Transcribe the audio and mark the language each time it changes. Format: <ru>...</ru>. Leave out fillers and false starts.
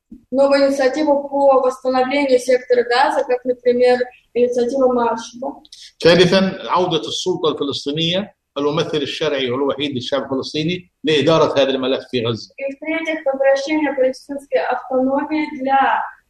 <ru>Новую инициативу по восстановлению сектора Газа, как, например, инициатива Маршала.</ru> <ar>ثالثاً عودة السلطة الفلسطينية الممثل الشرعي والوحيد للشعب الفلسطيني لإدارة هذا الملف في غزة.</ar> <ru>И в-третьих, возвращение палестинской автономии для</ru>